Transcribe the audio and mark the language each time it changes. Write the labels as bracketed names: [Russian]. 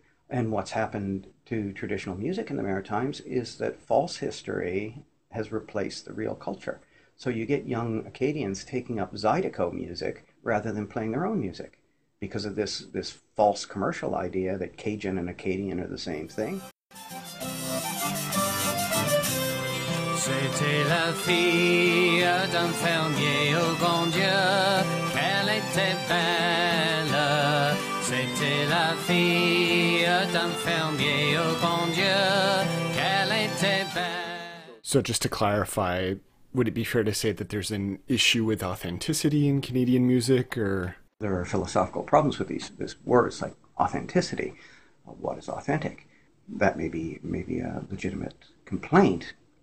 [English] And what's happened to traditional music in the Maritimes is that false history has replaced the real culture. So you get young Acadians taking up zydeco music rather than playing their own music because of this false commercial idea that Cajun and Acadian are the same thing. [French] C'était la fille d'un fermier au bon Dieu, elle était belle. C'était la fille d'un fermier au bon Dieu, elle était belle. [English] So just to clarify, would it be fair to say that there's an issue with authenticity in Canadian music, or? There are philosophical problems with these words like authenticity. What is authentic? That may be a legitimate complaint.